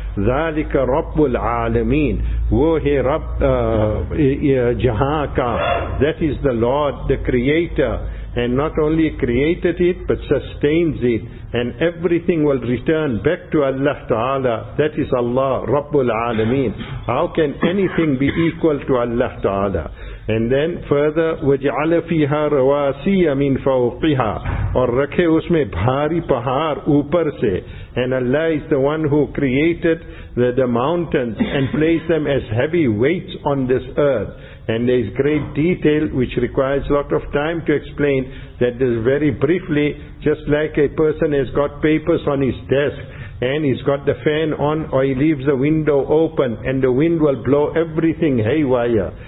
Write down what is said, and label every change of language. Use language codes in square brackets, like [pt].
[ar] ذَلِكَ رَبُّ الْعَالَمِينَ. [ur] وہ ہے رب جہاں کا. [en] That is the Lord, the Creator, and not only created it but sustains it, and everything will return back to Allah Ta'ala. That is Allah, [ar] رَبُّ الْعَالَمِينَ. [en] How can anything be equal to Allah Ta'ala? And then further, [ar] وَجْعَلَ فِيهَا رَوَاسِيَ مِن فَوْقِهَا. [ur] اور رکھے اس میں بھاری پہار اوپر سے. [en] And Allah is the one who created the mountains and placed them as heavy weights on this earth. And there is great detail which requires a lot of time to explain, that is very briefly, just like a person has got papers on his desk and he's got the fan on, or he leaves the window open and the wind will blow everything haywire.